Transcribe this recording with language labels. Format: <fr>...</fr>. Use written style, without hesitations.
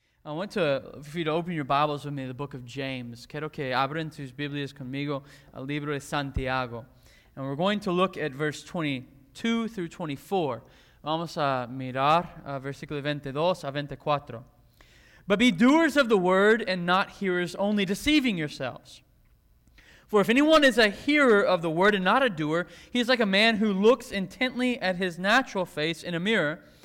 <en>I want to for you to open your Bibles with me, the book of James.</en> <es>Quiero que abran sus Biblias conmigo al libro de Santiago.</es> <en>And we're going to look at verse 22 through 24.</en> <es>Vamos a mirar versículo 22 a 24.</es> <en>But be doers of the word and not hearers only, deceiving yourselves. For if anyone is a hearer of the word and not a doer, he is like a man who looks intently at his natural face in a mirror.</en>